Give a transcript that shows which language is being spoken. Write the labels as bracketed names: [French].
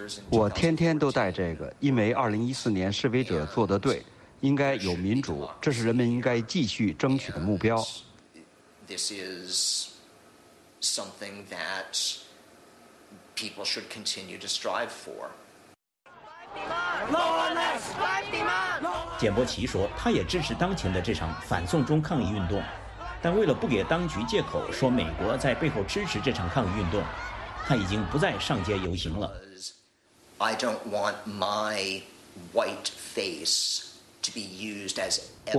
[Chinese] 我天天都戴这个，因为2014年示威者做得对，应该有民主，这是人们应该继续争取的目标。 [English] This is something that people should continue to strive for. [Chinese] 简伯奇说，他也支持当前的这场反送中抗议运动，但为了不给当局借口说美国在背后支持这场抗议运动，他已经不再上街游行了。 [English] I don't want my white face to be used as evidence.